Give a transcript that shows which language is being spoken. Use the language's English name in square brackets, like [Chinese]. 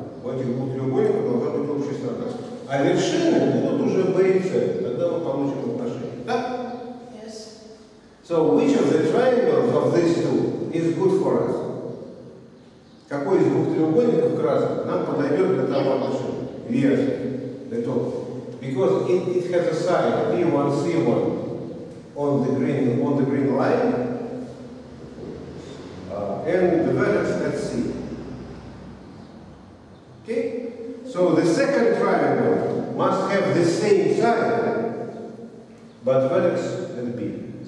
[Russian] Вот их будет любой, должна быть общая сторона. А вершины будут уже B и C, тогда мы получим отношения. Да? [English] Yes. So which of the triangles of these two is good for us? [Russian] Какой из двух треугольников красных нам подойдет для того отношения? [English] Yes, the top. Because it has a side, P1, C1, on the green line, and the vertex at C. Okay? So the second triangle must have the same side, but vertex at B.